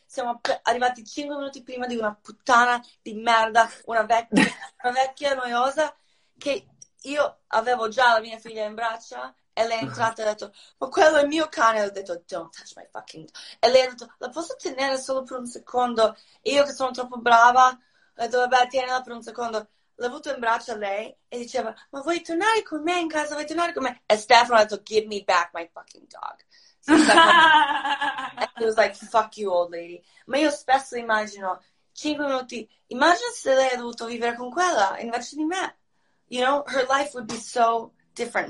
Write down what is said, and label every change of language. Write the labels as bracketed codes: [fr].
[it] Siamo arrivati 5 minuti prima di una puttana di merda, una vecchia noiosa, che io avevo già la mia figlia in braccia e lei è entrata e ha detto, ma quello è il mio cane. E ho detto, [en] don't touch my fucking dog. [it] E lei ha detto, la posso tenere solo per un secondo? E io, che sono troppo brava, ho detto, vabbè, tienila per un secondo. L'ha avuto in braccio lei e diceva, ma vuoi tornare con me in casa? Vuoi tornare con me? E Stefano ha detto, [en] give me back my fucking dog. And it was like, fuck you, old lady. [it] Ma io spesso immagino, 5 minuti, immagino se lei ha dovuto vivere con quella invece di me. [en] You know, her life would be so different.